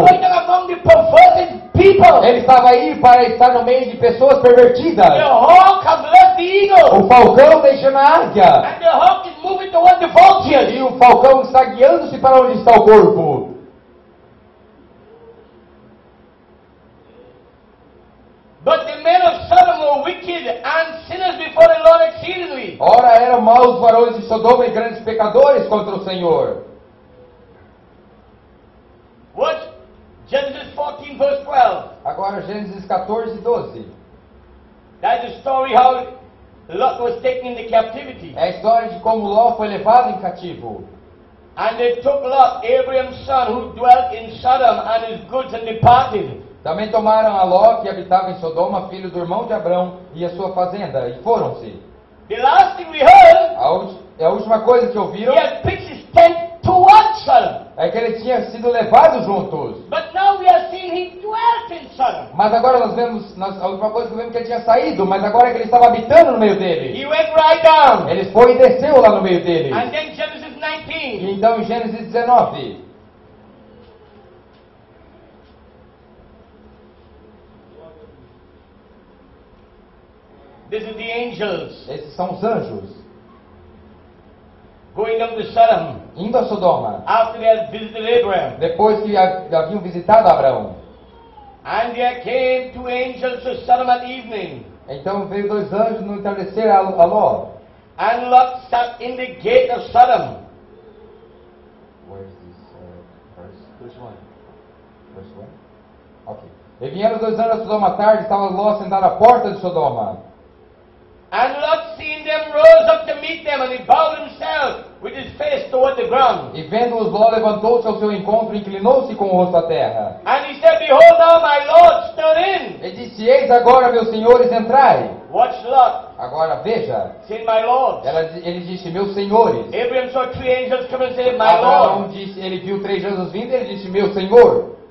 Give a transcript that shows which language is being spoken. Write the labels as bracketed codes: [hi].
[en] He is going down among the perverted people. [pt] Ele estava aí para estar no meio de pessoas pervertidas. [en] The hawk has left the eagle. [pt] O falcão deixou na águia. [en] And the hawk is moving toward the vultures. [pt] E o falcão está guiando-se para onde está o corvo. [en] But the men of Sodom were wicked and sinners before the Lord exceedingly. [pt] Ora, eram maus varões de Sodoma e grandes pecadores contra o Senhor. [en] What? Genesis 14, verse 12. [pt] Agora, Gênesis 14, 12. [en] That's the story how Lot was taken in the captivity. [pt] É a história de como Ló foi levado em cativo. [en] And they took Lot, Abraham's son, who dwelt in Sodom, and his goods, and departed. [pt] Também tomaram a Ló, que habitava em Sodoma, filho do irmão de Abrão, e a sua fazenda, e foram-se. [en] The last thing we heard, [pt] a última coisa que ouviram, [en] he had pitched his tent towards Sodom. [pt] É que ele tinha sido levado juntos. [en] But now we are seeing he dwelt in Sodom. [pt] Mas agora nós vemos, a última coisa que vemos é que ele tinha saído, mas agora é que ele estava habitando no meio dele. [en] He went right down. [pt] Ele foi e desceu lá no meio dele. [en] And then Genesis 19. [pt] E então em Gênesis 19. [en] This is the angels. [pt] Esses são os anjos. [en] Going up to Sodom. [pt] Indo a Sodoma. [en] After they had visited Abraham. [pt] Depois que haviam visitado Abraão. [en] And there came two angels to Sodom at evening. [pt] Então veio dois anjos no entardecer a Ló. [en] And Lot sat in the gate of Sodom. Where is this verse? [pt] Okay. E vieram dois anjos a Sodoma à tarde, estava Ló sentado à porta de Sodoma. [en] And Lot seeing them rose up to meet them, and he bowed himself with his face toward the ground. [pt] E vendo-os, Ló levantou-se ao seu encontro e inclinou-se com o rosto à terra. [en] And he said, Behold now, my Lord, stir in. [pt] E disse, eis agora, meus senhores, entrai. [en] Watch Lot. [pt] Agora veja. [en] Said my Lord. [pt] Ele disse, meus senhores. [en] Abraham saw three angels come and say, my Lord. [pt] Abraão disse, ele viu três anjos vindo e ele disse, meu senhor.